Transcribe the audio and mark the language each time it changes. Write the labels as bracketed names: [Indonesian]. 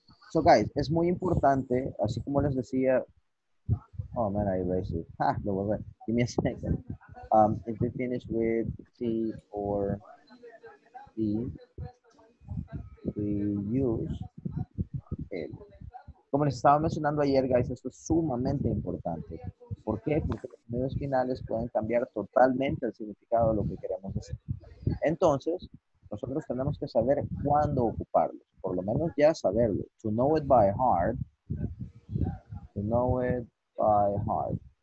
[English] So guys, [Spanish] es muy importante, así como les decía. [English] Oh man, I erased it. Ha, [Spanish] lo voy a ver. [English] Give me a second. If they finish with T or D, we use L. [Spanish] Como les estaba mencionando ayer, guys, esto es sumamente importante. ¿Por qué? Porque los sonidos finales pueden cambiar totalmente el significado de lo que queremos decir. Entonces, nosotros tenemos que saber cuándo ocuparlos. Por lo menos ya saberlo. [English] To know it by heart. [Spanish] To know it by heart.